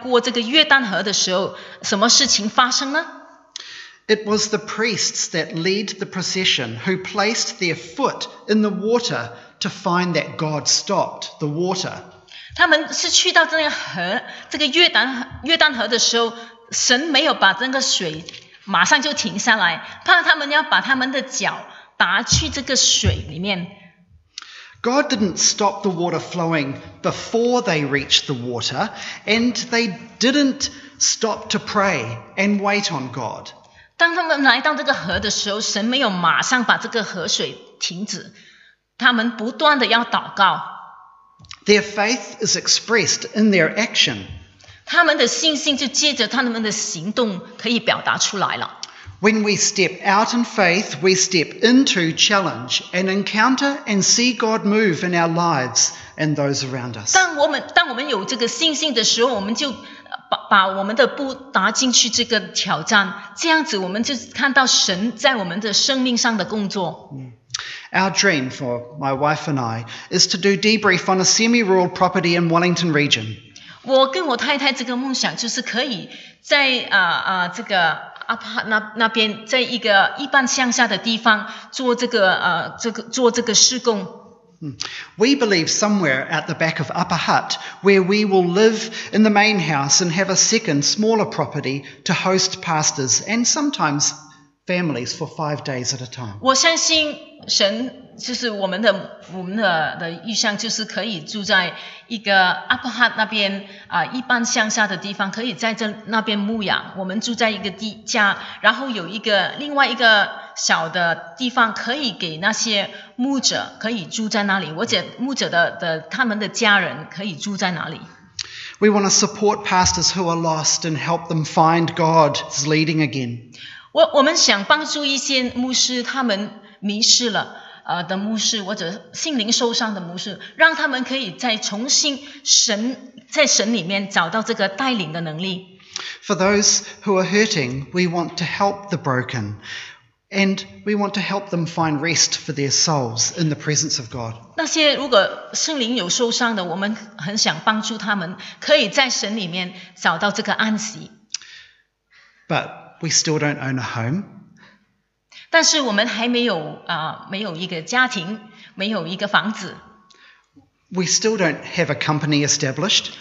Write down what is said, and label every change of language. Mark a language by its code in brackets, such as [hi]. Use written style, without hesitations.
[zh] 你记得当以色列他们离开这个埃及，去神应许他们的地方，你记得他们要过这个约旦河的时候，什么事情发生呢？ [en] It was the priests that led the procession who placed their foot in the water to find that God stopped the water. [zh] 他们是去到这个河，这个约旦河的时候，神没有把这个水马上就停下来，怕他们要把他们的脚打去这个水里面。 [en] God didn't stop the water flowing before they reached the water, and they didn't stop to pray and wait on God. [zh] 当他们来到这个河的时候，神没有马上把这个河水停止，他们不断的要祷告。 [en] Their faith is expressed in their action. [zh] 他们的信心就借着他们的行动可以表达出来了。 [en] When we step out in faith, we step into challenge and encounter and see God move in our lives and those around us. [zh] 当我们有这个信心的时候，我们就把我们的步踏进去这个挑战，这样子我们就看到神在我们的生命上的工作。 [en] Our dream for my wife and I is to do debrief on a semi-rural property in Wellington region. [zh] 我跟我太太这个梦想就是可以在这个那边在一个一半乡下的地方做这个做这个施工。 [en] We believe somewhere at the back of Upper Hutt, where we will live in the main house and have a second, smaller property to host pastors and sometimes families for 5 days at a time. [zh] 我相信神就是我们的预想，就是可以住在一个 Upper Hutt 那边一般乡下的地方，可以在这那边牧养。我们住在一个地家，然后有一个另外一个小的地方可以给那些牧者可以住在那里，而且牧者 的他们的家人可以住在哪里。 [en] We want to support pastors who are lost and help them find God's leading again. [zh] 我们想帮助一些牧师，他们迷失了。的牧师或者心灵受伤的牧师，让他们可以再重新在神里面找到这个带领的能力。 [en] For those who are hurting, we want to help the broken, and we want to help them find rest for their souls in the presence of God. [zh] 那些如果心灵有受伤的，我们很想帮助他们可以在神里面找到这个安息。 [en] But we still don't own a home. [zh] 但是我们还没有没有一个家庭，没有一个房子。 [en] We still don't have a company established.